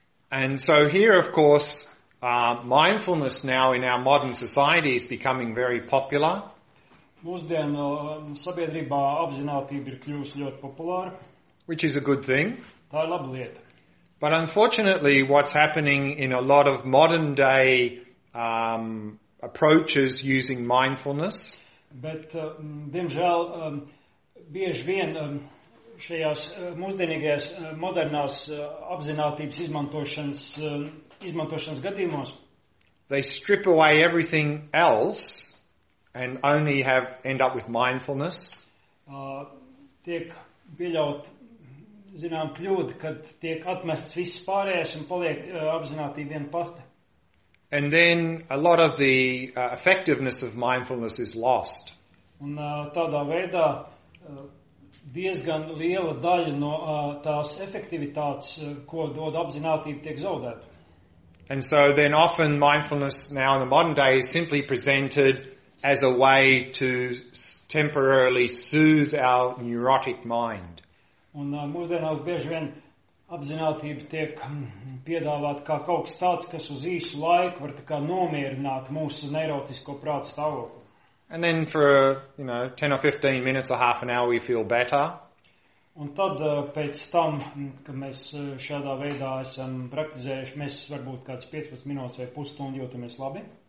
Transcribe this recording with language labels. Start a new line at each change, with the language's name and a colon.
English: And so here, of course, mindfulness now in our modern society is becoming very popular.
Latvian: Mūsdienu sabiedrībā apzinātība ir kļuvusi ļoti populāra.
English: Which is a good thing.
Latvian: Tā ir laba lieta.
English: But unfortunately, what's happening in a lot of modern day approaches using mindfulness.
Latvian: Bet, diemžēl, bieži vien šajās mūsdienīgajās modernās apzinātības izmantošanas gadījumos.
English: They strip away everything else and only have end up with mindfulness.
Latvian: Tiek pieļaut, zinām, kļūda, kad tiek atmests viss pārējais un paliek apzinātība vien pati.
English: And then a lot of the effectiveness of mindfulness is lost.
Latvian: Un tādā veidā diezgan liela daļa no tās efektivitātes, ko dod apzinātība, tiek zaudēta.
English: And so then often mindfulness now in the modern day is simply presented as a way to temporarily soothe our neurotic mind.
Latvian: Un mūsdienās bieži vien apzinātība tiek piedāvāta kā kaut kas tāds, kas uz īsu laiku var tā kā nomierināt mūsu neirotisko prātu stāvokli.
English: And then for, you know, 10 or 15 minutes or half an hour we feel better.
Latvian: Un tad pēc tam, kad mēs šādā veidā esam praktizējuši, mēs varbūt kāds 15 minūtes vai pusstundi jūtamies labi.